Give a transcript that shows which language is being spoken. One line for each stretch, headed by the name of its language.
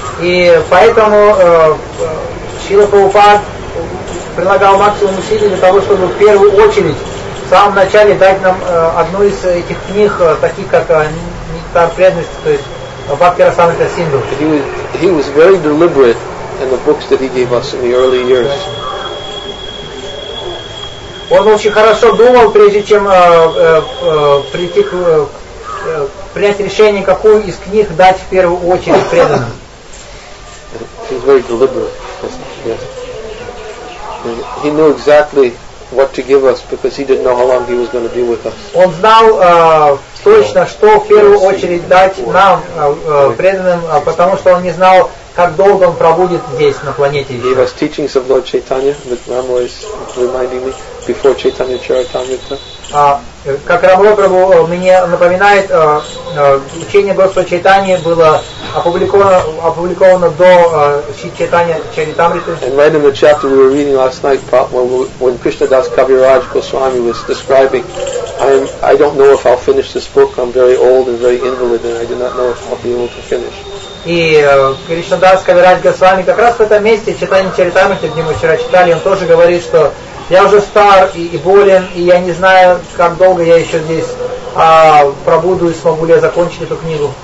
Russian: И поэтому Srila Prabhupada прилагал максимум усилий для того, чтобы в первую очередь в самом начале дать нам одну из этих книг, таких как Нектар преданности, то есть Bhakti Rasamrita Sindhu.
English: He was very deliberate in the books that he gave us in the early years.
Russian: Он очень хорошо думал, прежде чем прийти к принять решение, какую из книг дать в первую очередь преданным.
English: He was very deliberate. Yes. He knew exactly what to give us because he didn't know how long he was going to be with us.
Russian: Он знал точно, что в первую очередь дать нам преданным, потому что он не знал, как долго он пробудет здесь на планете.
English: He gave us teachings of Lord Chaitanya, but Rama is reminding me. Before Chaitanya Charitamrita.
Russian: Как Рамо Прабху мне напоминает, учение Господа Чайтаньи было опубликовано до читания Чаритамриты.
English: And right in the chapter we were reading last night, when Krishnadas Kaviraj Goswami was describing, I don't know if I'll finish this book. I'm very old and very invalid, and I do not know if I'll be able to finish.
Russian: И Кришнадас Кавираз Госвами как раз в этом месте читания Чаритамриты, где мы вчера читали, он тоже говорит, что я уже стар и болен, и я не знаю, как долго я еще здесь пробуду и смогу ли я закончить эту книгу.